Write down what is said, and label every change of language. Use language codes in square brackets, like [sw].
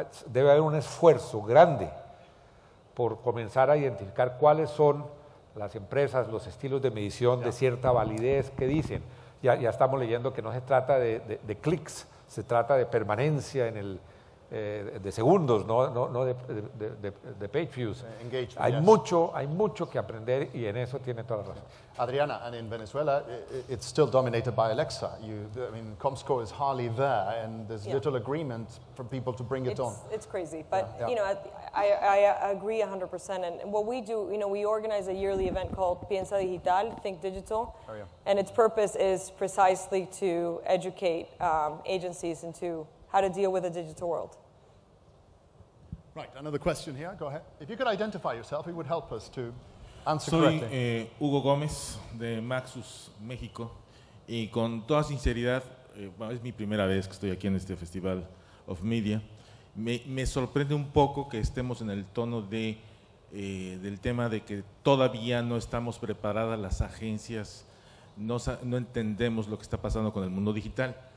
[es] Debe haber un esfuerzo grande por comenzar a identificar cuáles son las empresas, los estilos de medición de cierta validez que dicen. Ya estamos leyendo que no se trata de clics, se trata de permanencia en el de segundos, no de page views. [en] Engagement, [es] hay mucho que aprender, y en eso tiene toda la razón. [en] Adriana, and in Venezuela, it's still dominated by Alexa. Comscore is hardly there, and there's little agreement from people to bring it on. It's crazy, but I agree 100%. And what we do, we organize a yearly event called Piensa Digital, Think Digital, and its purpose is precisely to educate agencies into how to deal with a digital world. Right, another question here. Go ahead. If you could identify yourself, it would help us to answer correctly. [es] Soy Hugo Gómez de Maxus, México, y con toda sinceridad, es mi primera vez que estoy aquí en este Festival of Media. Me sorprende un poco que estemos en el tono del tema de que todavía no estamos preparadas las agencias, no entendemos lo que está pasando con el mundo digital.